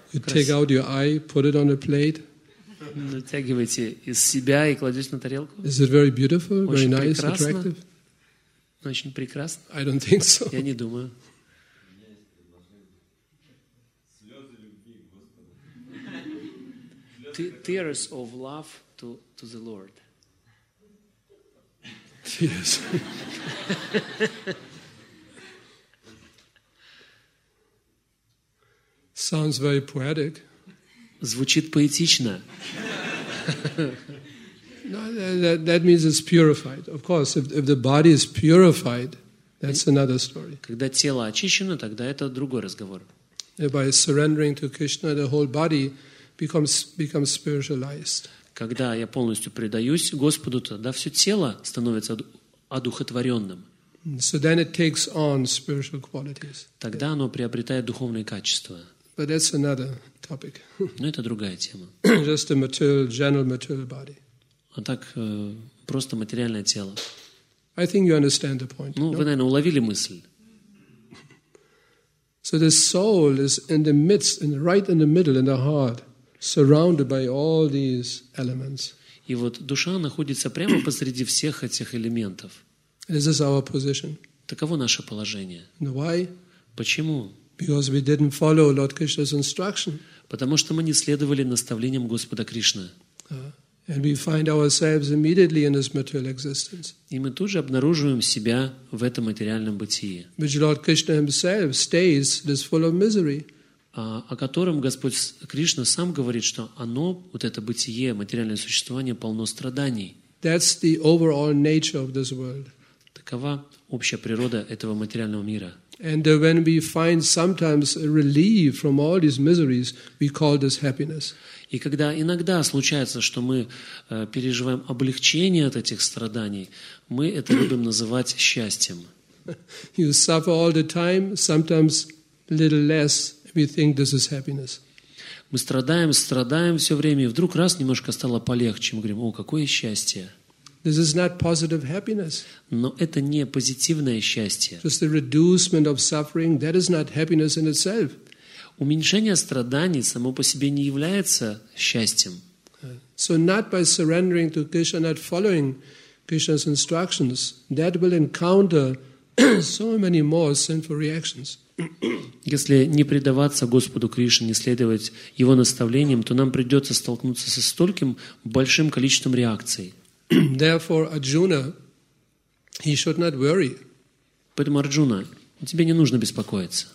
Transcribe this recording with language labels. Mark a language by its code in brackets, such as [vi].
[en] You take out your eye, put it on a plate. [ru] натягиваете из себя и кладете на тарелку? [en] Is it very beautiful, very nice, attractive? [ru] Очень прекрасно. [en] I don't think so. [ru] Я не думаю. [en] Tears of love to the Lord. Yes. Sounds very poetic. [ru] Звучит поэтично. [en] No, that means it's purified. Of course, if the body is purified, that's another story. [ru] Когда тело очищено, тогда это другой разговор. [en] By surrendering to Krishna, the whole body becomes spiritualized. [ru] Когда я полностью предаюсь Господу, тогда все тело становится одухотворенным. [en] So then it takes on spiritual qualities. [ru] Тогда оно приобретает духовные качества. [en] But that's another topic. [ru] Но это другая тема. [en] Just a material, general material body. [ru] А так просто материальное тело. [en] I think you understand the point. [ru] Ну, вы, наверное, уловили мысль. [en] So the soul is in the midst, in right in the middle, in the heart, surrounded by all these elements. [ru] И вот душа находится прямо посреди всех этих элементов. [en] This is our position. [ru] Таково наше положение. [en] And why? [ru] Почему? [en] Because we didn't follow Lord Krishna's instruction. [ru] Потому что мы не следовали наставлениям Господа Кришны. [en] And we find ourselves immediately in this material existence. [ru] И мы тут же обнаруживаем себя в этом материальном бытии. [en] Which Lord Krishna himself states is full of misery. [ru] О котором Господь Кришна сам говорит, что оно, вот это бытие, материальное существование, полно страданий. [en] That's the overall nature of this world. [ru] Такова общая природа этого материального мира. [en] And when we find sometimes a relief from all these miseries, we call this happiness. [ru] И когда иногда случается, что мы переживаем облегчение от этих страданий, мы это любим называть счастьем. [en] You suffer all the time, sometimes a little less, we think this is happiness. [ru] Мы страдаем все время, и вдруг раз немножко стало полегче, мы говорим: «О, какое счастье!» [en] This is not positive happiness. [ru] Но это не позитивное счастье. [en] Just the reducement of suffering, that is not happiness in itself. [ru] Уменьшение страданий само по себе не является счастьем. [en] So not by surrendering to Krishna, not following Krishna's instructions, that will encounter so many more sinful reactions. [ru] Если не предаваться Господу Кришне, не следовать Его наставлениям, то нам придется столкнуться со стольким большим количеством реакций. [en] Therefore, Arjuna, he should not worry. [ru] Поэтому, Арджуна, тебе не нужно беспокоиться.